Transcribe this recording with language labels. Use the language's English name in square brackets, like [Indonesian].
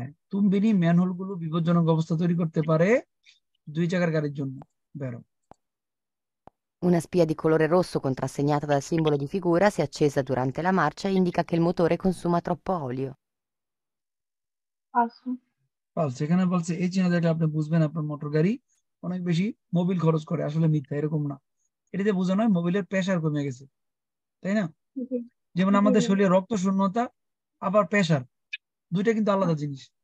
[Bangla] তুম্বিনি manhole গুলো বিপজ্জনক অবস্থা তৈরি করতে পারে দুই চাকার গাড়ির জন্য। বেরো [Italian] Una spia di colore rosso contrassegnata dal simbolo di figura, se accesa durante la marcia, indica che il motore consuma troppo olio. passo [Bangla] falso, এখানে বলছে এই চিহ্ন দেখলে আপনি বুঝবেন আপনার মোটর গাড়ি অনেক বেশি মোবিল খরচ করে। আসলে মিথ্যা, এরকম না, এটাতে বোঝানো হয় মোবিলের প্রেশার কমে গেছে, তাই না? যেমন আমাদের শরীরে রক্ত শূন্যতা আবার প্রেশার, দুইটা কিন্তু আলাদা জিনিস।